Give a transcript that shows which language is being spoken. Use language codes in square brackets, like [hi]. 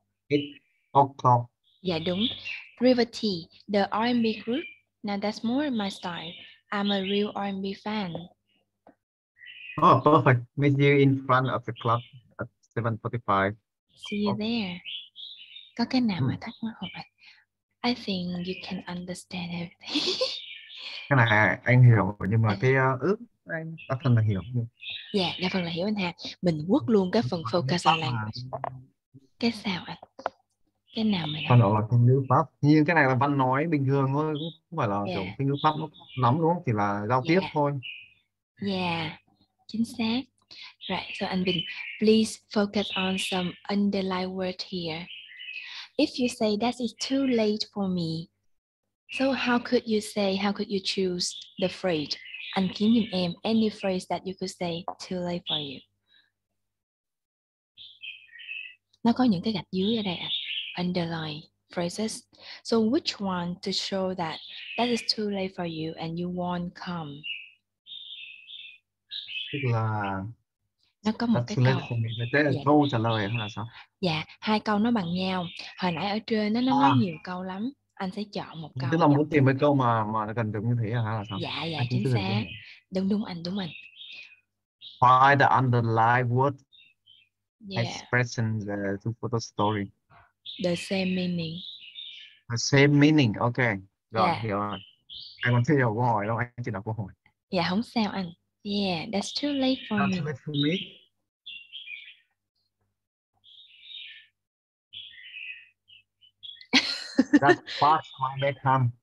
[en] 8 o'clock. [vi] Dạ đúng. [en] River Tea, the R&B group. Now that's more my style. I'm a real R&B fan. Oh, perfect. Meet you in front of the club at 7:45. See you there. [vi] Có cái nào mà thắc mắc không ạ? [en] I think you can understand everything. [vi] Cái này anh hiểu, nhưng mà cái ước anh đa phần là hiểu. Dạ, đa phần là hiểu anh ha. Mình quất luôn cái phần [en] focus on language. [vi] Cái sao anh? Cái nào mà phần đó là thanh ngữ pháp. Nhưng cái này là văn nói bình thường thôi, cũng không phải là kiểu thanh ngữ pháp nó lắm đúng không? Chỉ là giao tiếp thôi. [en] Yeah, [vi] chính xác. [en] Right, so anh Bình, please focus on some underlined word here. If you say that is too late for me, so how could you say, how could you choose the phrase? [vi] Anh kiếm giùm em [en] any phrase that you could say too late for you. [vi] Nó có những cái gạch dưới ở đây ạ. [en] Underline phrases. So which one to show that that is too late for you and you won't come? [vi] Tức là... Nó có một cái câu. Thế là câu trả lời hay là sao? Dạ, hai câu nó bằng nhau. Hồi nãy ở trên nó nói nhiều câu lắm. Anh sẽ chọn một câu. Tức là muốn tìm mấy câu mà nó cần được như thế hay là sao? Dạ, dạ, anh chính xác. Đúng anh. [en] Find the underlying word expression for the story. The same meaning. The same meaning, okay. [vi] Rồi, hiểu rồi. Anh còn chưa hiểu câu hỏi đâu, anh chỉ đọc câu hỏi. Dạ, không sao anh. [en] Yeah, that's too late for me. Late for me. That's past my bedtime.